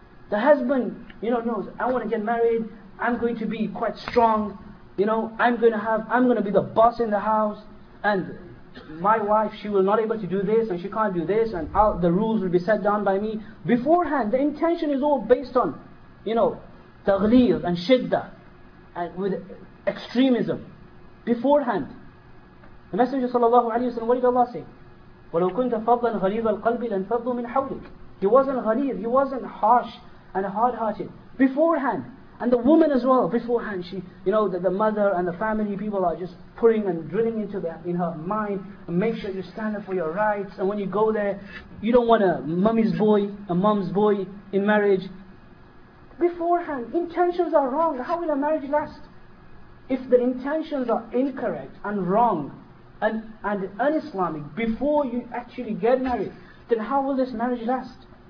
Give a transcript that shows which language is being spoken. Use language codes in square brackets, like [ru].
[en] The husband, you know, knows, I want to get married, I'm going to be quite strong, you know, I'm going to be the boss in the house, and my wife, she will not able to do this, and she can't do this, and the rules will be set down by me. Beforehand, the intention is all based on, you know, taghlil and shiddah, and with extremism. Beforehand, the Messenger sallallahu alayhi wa sallam, what did Allah say? [ar] وَلَوْ كُنْتَ فَضْلًا غَلِيظَ الْقَلْبِ لَنْفَضُّ مِنْ حَوْلِكَ. [en] He wasn't [ar] غَلِيظ, [en] he wasn't harsh and hard-hearted. Beforehand, and the woman as well, beforehand, she, you know, the mother and the family people are just putting and drilling into in her mind, and make sure you stand up for your rights, and when you go there, you don't want a mom's boy in marriage. Beforehand, intentions are wrong. How will a marriage last? If the intentions are incorrect and wrong and un-Islamic before you actually get married, then how will this marriage last?